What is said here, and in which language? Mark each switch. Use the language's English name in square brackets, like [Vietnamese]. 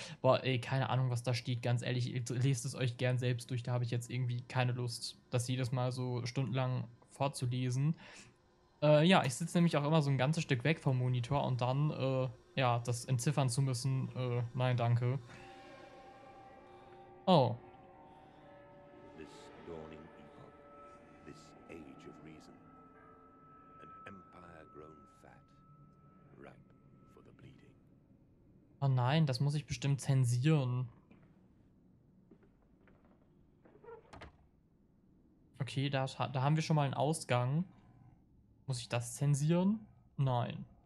[German] Boah, ey, keine Ahnung, was da steht, ganz ehrlich, lest es euch gern selbst durch, da habe ich jetzt irgendwie keine Lust, das jedes Mal so stundenlang vorzulesen. Ja, ich sitze nämlich auch immer so ein ganzes Stück weg vom Monitor und dann, ja, das entziffern zu müssen, nein, danke. Oh. [English] This dawning epoch, this age of reason, an empire grown fat, ripe for the bleeding. [German] Oh nein, das muss ich bestimmt zensieren. Okay, da haben wir schon mal einen Ausgang. Muss ich das zensieren? Nein.